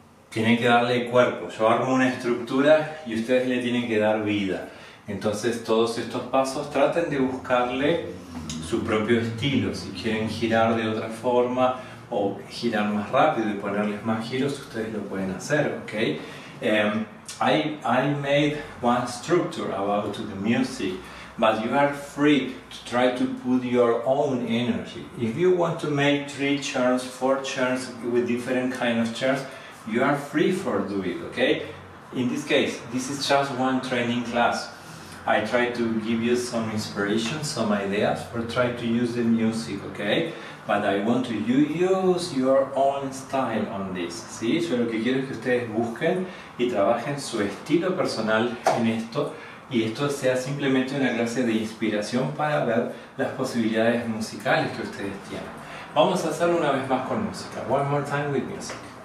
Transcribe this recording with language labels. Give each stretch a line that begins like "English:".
Spanish: Tienen que darle cuerpo. Yo armo una estructura y ustedes le tienen que dar vida. Entonces, todos estos pasos, traten de buscarle su propio estilo. Si quieren girar de otra forma o girar más rápido y ponerles más giros, ustedes lo pueden hacer, ¿ok?
English: I made one structure about the music, but you are free to try to put your own energy. If you want to make 3 turns, 4 turns with different kind of turns, you are free for do it, okay? In this case, this is just one training class. I try to give you some inspiration, some ideas, or try to use the music, okay? But I want to you use your own style on this, ¿sí?
Spanish: Yo lo que quiero es que ustedes busquen y trabajen su estilo personal en esto, y esto sea simplemente una clase de inspiración para ver las posibilidades musicales que ustedes tienen. Vamos a hacerlo una vez más con música.
English: One more time with music.